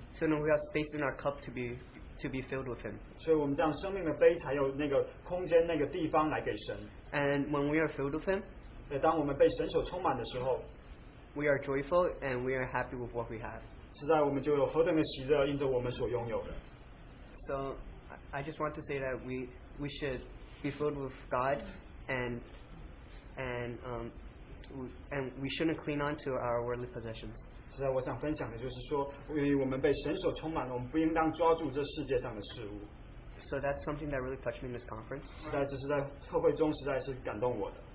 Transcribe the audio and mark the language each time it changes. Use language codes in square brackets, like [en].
[en] So that we have space in our cup to be filled with Him. [zh] 所以我们这样生命的杯才有那个空间、那个地方来给神。 [en] And when we are filled with Him, [zh] 也当我们被神所充满的时候。 [en] We are joyful and we are happy with what we have. [zh] 实在我们就有何等的喜乐，因着我们所拥有的。 [en] So, I just want to say that we should be filled with God, and we shouldn't cling on to our worldly possessions. [zh] 实在我想分享的就是说，由于我们被神所充满，我们不应当抓住这世界上的事物。 [en] So that's something that really touched me in this conference. [zh] 实在这是在特会中实在是感动我的。